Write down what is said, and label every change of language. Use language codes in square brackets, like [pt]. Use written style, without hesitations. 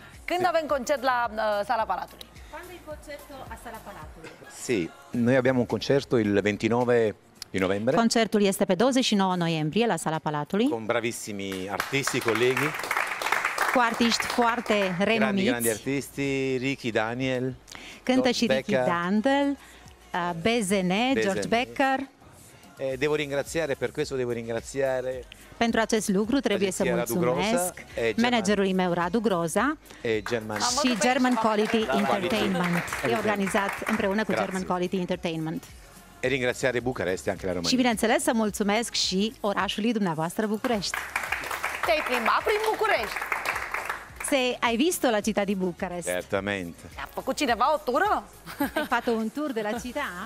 [ro] Când avem concert la Sala Palatului? [it] Quando il concerto a Sala Palatului? Sì, noi abbiamo un concerto il 29 di novembre. [ro] Concertul este pe 29 noiembrie la Sala Palatului. [it] Con bravissimi artisti, colleghi. [ro] Cu artiști foarte renumiți. [it] Grandi artisti, Ricky Daniel. [ro] Cântă și Ricky Dandel, BZN, George Becker. [it] Devo ringraziare, per questo devo ringraziare... [ro] Pentru acest lucru trebuie să mulțumesc managerului meu, Radu Groza, și German Quality Entertainment. E organizat împreună cu German Quality Entertainment. [it] E ringraziare București, anche la România. [ro] Și bineînțeles să mulțumesc și orașului dumneavoastră, București. Te-ai plimbat prin București? [it] Se ai visto la città di Bucarest? Certamente. [ro] Ha făcut cineva o tură? [it] Hai fatto un tour della città?